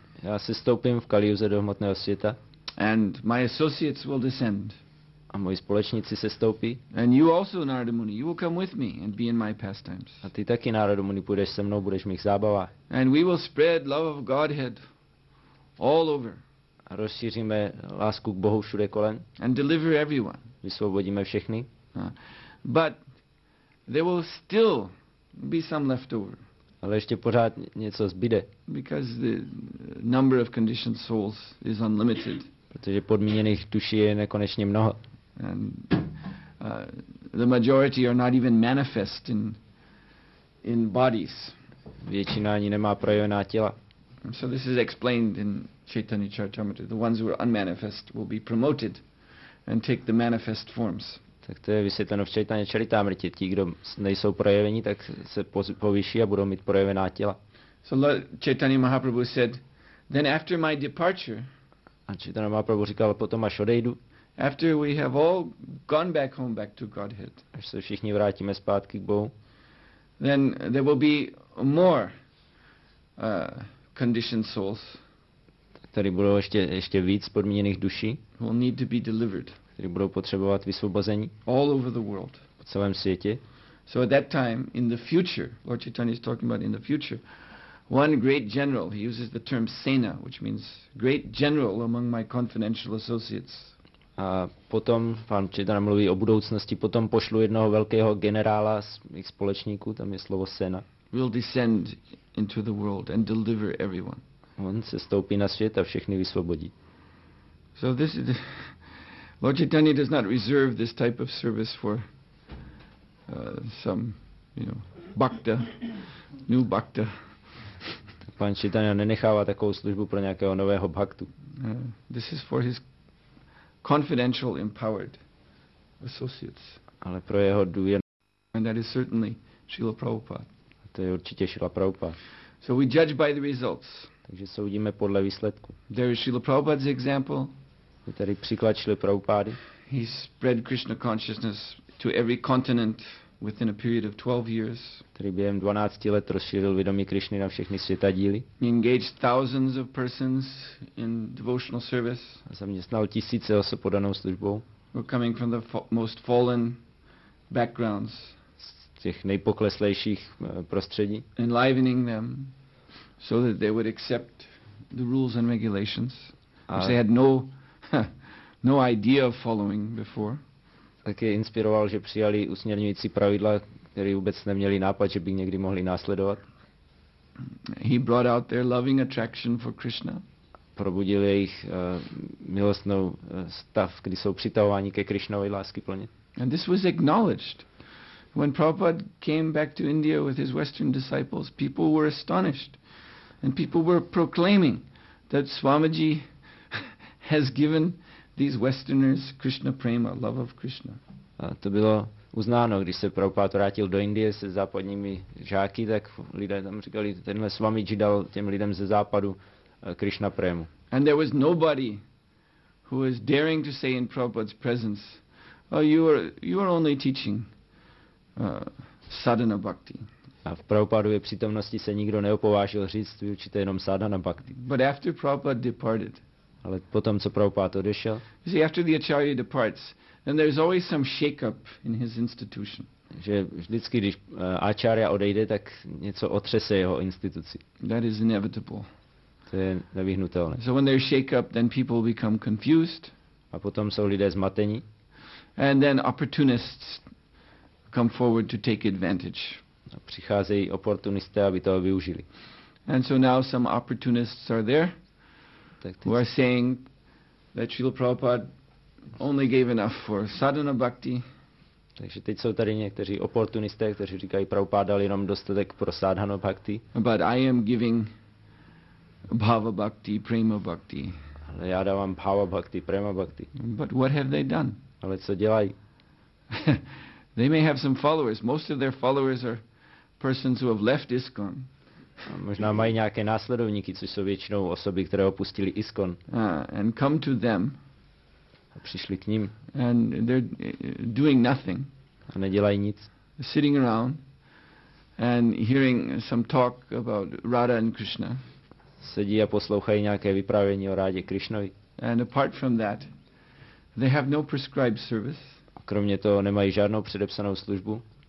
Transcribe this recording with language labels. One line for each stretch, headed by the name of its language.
Czech: Já se stoupím v Kali Yuze do hmotného světa.
English: And my associates will descend.
Czech: A moji společníci se stoupí.
English: And you also, Narada Muni, you will come with me and be in my pastimes.
Czech: A ty taky, Narada Muni, půjdeš se mnou, budeš v mých zábavách.
English: And we will spread love of Godhead all over.
Czech: A rozšíříme lásku k Bohu všude kolem.
English: And deliver everyone.
Czech: Vysvobodíme všechny.
English: But there will still be some left over.
Czech: Ale ještě pořád něco zbyde.
English: Because the number of conditioned souls is unlimited.
Czech: Protože podmíněných duší je nekonečně mnoho.
English: And the majority are not even manifest in bodies.
Czech: Většina ani nemá projevená těla.
English: So this is explained in Chaitanya Charitamrita. The ones who are unmanifest will be promoted and take the manifest forms.
Czech: Tak to je vysvětleno v Chaitanya Charitamrita. Ti, kdo nejsou projevení, tak se povýší a budou mít projevená těla.
English: So Lord Chaitanya Mahaprabhu said, then after my departure,
Czech: a Chaitanya Mahaprabhu říkal, potom až odejdu,
English: after we have all gone back to Godhead,
Czech: až se všichni vrátíme zpátky k Bohu,
English: then there will be more conditioned souls,
Czech: tady budou ještě víc podmíněných duší,
English: will need to be delivered,
Czech: které budou potřebovat vysvobození,
English: all over the world,
Czech: po celém světě.
English: So at that time in the future, Lord Chaitanya is talking about in the future, one great general, he uses the term sena, which means great general among my confidential associates.
Czech: A potom pan Chaitanya mluví o budoucnosti, potom pošlu jednoho velkého generála z mých společníků, tam je slovo sena.
English: Will descend into the world and deliver everyone.
Czech: On se stoupí na svět a všechny vysvobodí.
English: So this is Lord Chaitanya does not reserve this type of service for some, you know, bhakta, new bhakta.
Czech: Pan Chaitanya nenechává takovou službu pro nějakého nového bhaktu.
English: This is for his confidential empowered associates.
Czech: Ale pro jeho důvěrné.
English: And that is certainly Srila Prabhupada.
Czech: To je určitě Srila Prabhupada.
English: So we judge by the results.
Czech: Takže soudíme podle výsledku.
English: There is Srila Prabhupada's example.
Czech: Je tady příklad Srila Prabhupady.
English: He spread Krishna consciousness to every continent within a period of 12 years.
Czech: Který během 12 let rozšířil vědomí Krišny na všechny světadíly.
English: He engaged thousands of persons in devotional service.
Czech: A zaměstnal tisíce osob podanou službou.
English: Who coming from the most fallen backgrounds.
Czech: Z těch nejpokleslejších prostředí.
English: Enlivening them so that they would accept the rules and regulations. Which they had no idea of following before.
Czech: Tak je inspiroval, že přijali usměrňující pravidla, které vůbec neměli nápad, že by někdy mohli následovat.
English: He brought out their loving attraction for Krishna.
Czech: Probudil jejich milostnou stav, kdy jsou přitahováni ke Krišnovi lásky plně.
English: And this was acknowledged. When Prabhupada came back to India with his western disciples, people were astonished. And people were proclaiming that Swamiji has given these westerners Krishna prema, love of Krishna.
Czech: A to bylo uznáno, když se Prabhupada vrátil do Indie se západními žáky, tak lidé tam říkali, tenhle Swamiji dal těm lidem ze západu Krishna prému.
English: And there was nobody who was daring to say in Prabhupada's presence, oh, you are only teaching sadhana bhakti.
Czech: A v Prabhupadově přítomnosti se nikdo neopovážil říct, vy učíte jenom sadhana bhakti.
English: But after Prabhupada departed,
Czech: ale potom, co Prabhupada odešel.
English: You see, after the acharya departs, then there's always some shake-up in his institution.
Czech: Že vždycky, když acharya odejde, tak něco otřese jeho instituci.
English: That is inevitable.
Czech: To je nevyhnutelné.
English: So when there's shake-up, then people become confused.
Czech: A potom jsou lidé zmatení.
English: And then opportunists come forward to take advantage.
Czech: A přicházejí oportunisté, aby toho využili.
English: And so now some opportunists are there. Who are saying that Srila Prabhupada only gave enough for sadhana bhakti.
Czech: Takže teď jsou tady někteří oportunisté, kteří říkají, Prabhupada dal jenom dostatek pro sadhana bhakti.
English: But I am giving bhava bhakti, prema bhakti.
Czech: Ale já dávám bhava bhakti, prema bhakti.
English: But what have they done?
Czech: Ale co dělají?
English: They may have some followers. Most of their followers are persons who have left ISKCON.
Czech: Možná mají nějaké následovníky, což jsou většinou osoby, které opustili ISKCON.
English: And come to them.
Czech: A přišli k ním.
English: And they're doing nothing.
Czech: A nedělají nic.
English: Sitting around and hearing some talk about Radha and Krishna.
Czech: Sedí a poslouchají nějaké vyprávění o Rádě Krišnovi.
English: And apart from that, they have no prescribed service.
Czech: A kromě toho nemají žádnou předepsanou službu.